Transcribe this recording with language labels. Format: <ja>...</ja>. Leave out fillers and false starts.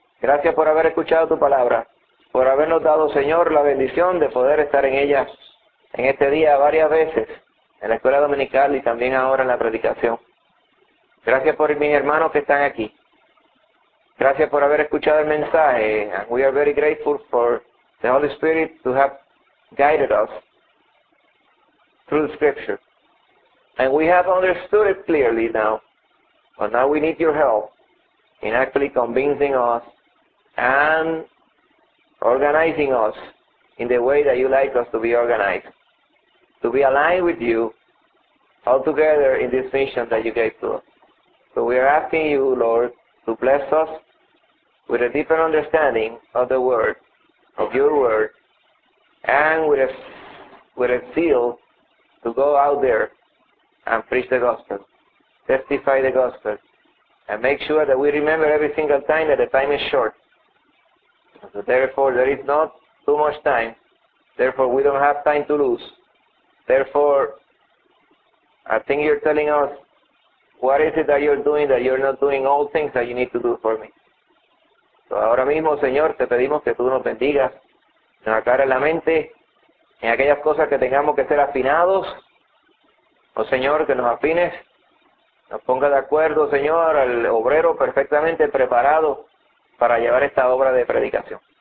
<es>Gracias por haber escuchado tu palabra, por habernos dado, Señor, la bendición de poder estar en ella en este día varias veces. En la escuela dominical y también ahora en la predicación. Gracias por mis hermanos que están aquí. Gracias por haber escuchado el mensaje.</es> <en>And we are very grateful for the Holy Spirit to have guided us through the scripture. And we have understood it clearly now. But now we need your help in actually convincing us and organizing us in the way that you like us to be organized, to be aligned with you all together in this mission that you gave to us. So we are asking you, Lord, to bless us with a deeper understanding of the Word, of your Word, and with a zeal to go out there and preach the gospel, testify the gospel, and make sure that we remember every single time that the time is short. So therefore, there is not too much time. Therefore, we don't have time to lose. Therefore, I think you're telling us, what is it that you're doing that you're not doing all things that you need to do for me?</en> <es>So ahora mismo, Señor, te pedimos que tú nos bendigas, nos aclares la mente en aquellas cosas que tengamos que ser afinados. Oh, Señor, que nos afines, nos ponga de acuerdo, Señor, al obrero perfectamente preparado para llevar esta obra de predicación.</es>